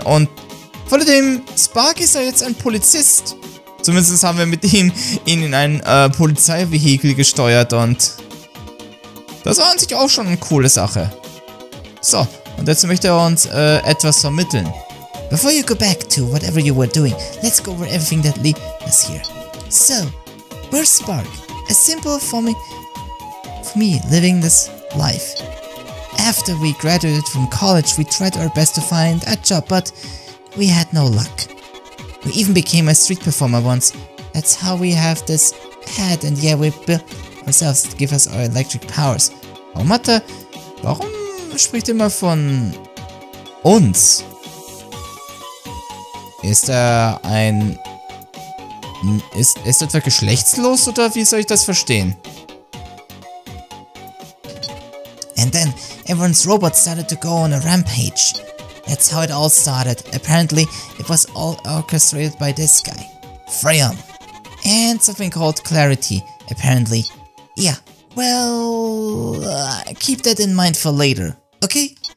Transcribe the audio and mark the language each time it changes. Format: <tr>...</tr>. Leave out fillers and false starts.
<de>Und von dem Spark ist er jetzt ein Polizist. Zumindest haben wir mit ihm ihn in ein Polizeivehikel gesteuert und das war an sich auch schon eine coole Sache. So, und jetzt möchte er uns etwas vermitteln.</de> <en>Before you go back to whatever you were doing, let's go over everything that leads us here. So, where's Spark? A simple for me living this life. After we graduated from college, we tried our best to find a job, but we had no luck. We even became a street performer once. That's how we have this pad, and yeah, we built ourselves to give us our electric powers.</en> <de>Oh, Mathe, warum spricht immer von uns? Ist er ein... Ist etwa geschlechtslos, oder wie soll ich das verstehen?</de> <en>And then, everyone's robot started to go on a rampage. That's how it all started. Apparently, it was all orchestrated by this guy, Freon. And something called Clarity, apparently. Yeah, well, keep that in mind for later, okay?</en>